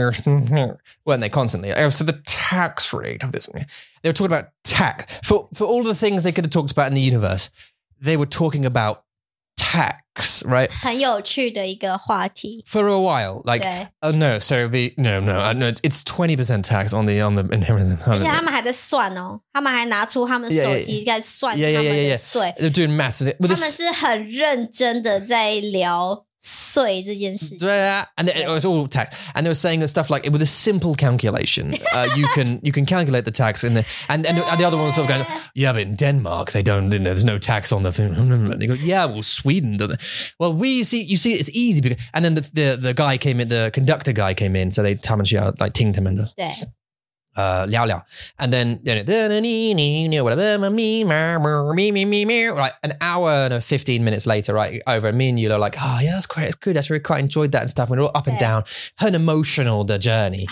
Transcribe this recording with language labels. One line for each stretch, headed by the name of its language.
English: Weren't they constantly? So the tax rate of this. They were talking about tax. For all the things they could have talked about in the universe, they were talking about tax. Right,
Chinese: 很有趣的一个话题
English: for a while. Like, oh no, so the no, it's 20% tax on the inheritance.
Chinese: 而且他们还在算哦，他们还拿出他们手机在算他们的税。
English: They're doing maths.
Chinese: 他们是很认真的在聊税这件事。对啊
English: ，and it was all tax, and they were saying that stuff like with a simple calculation, you can calculate the tax in there. And the other one was sort of going, yeah, but in Denmark they don't, you know, there's no tax on the thing. And they go, yeah, well, Sweden doesn't. Well, you see, it's easy because, and then the guy came in, the conductor guy came in, so they
Chinese: 他们需要
English: like
Chinese: 听他们的聊聊,
English: and then right, an hour and 15 minutes later, right, over, me and you are like, oh yeah, that's great, it's good, I actually quite enjoyed that and stuff, and we're all up and down, an emotional the journey,